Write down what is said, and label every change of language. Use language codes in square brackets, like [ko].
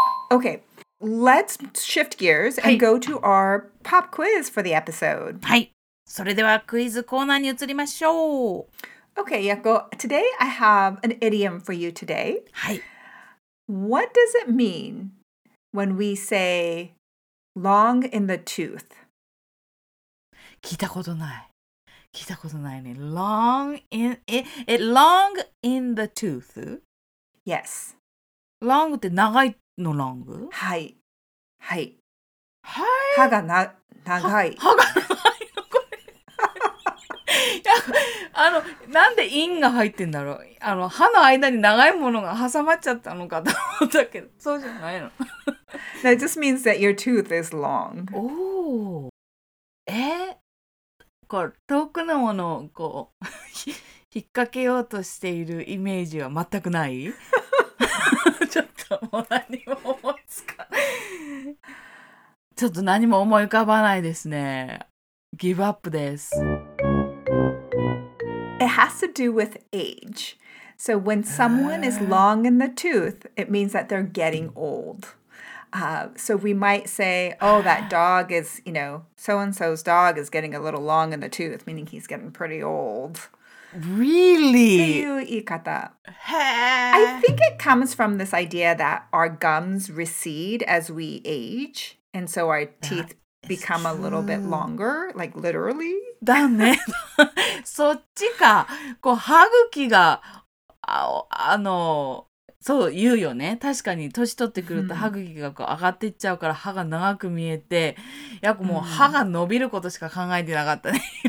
[en] Okay, let's shift gears and go to our pop quiz for the episode. [ja] はい、それではクイズコーナーに移りましょう。 [en] Okay, Yakko, today I have an idiom for you today. [ja] はい。 [en] What does it mean when we say long in the tooth? [ja] 聞いたことない。聞いたことないね。 [en] Long in, long in the tooth? Yes. [ja] Long って長いの long? はい。はい。はい。歯がな、長い。歯が長いのこれ。あの、なんでインが入ってんだろう。あの、歯の間に長いものが挟まっちゃったのかと思ったけど、そうじゃないの。 [en] That just means that your tooth is long. Oh. [ja] こう、遠くのものをこう、引っ掛けようとしているイメージは全くない? ちょっともう何も思いつかない。ちょっと何も思い浮かばないですね。ギブアップです。 [en] It has to do with age. So when someone is long in the tooth, it means that they're getting old. So we might say, oh, that dog is, you know, so-and-so's dog is getting a little long in the tooth, meaning he's getting pretty old. Really? [ja] っていう言い方。 [en] I think it comes from this idea that our gums recede as we age, and so our teeth become a little bit longer, like literally. [ja] だね。そっちか。こう歯茎が あのそう言うよね。確かに年取ってくると歯茎がこう上がっていっちゃうから歯が長く見えて、やっぱもう歯が伸びることしか考えてなかったね。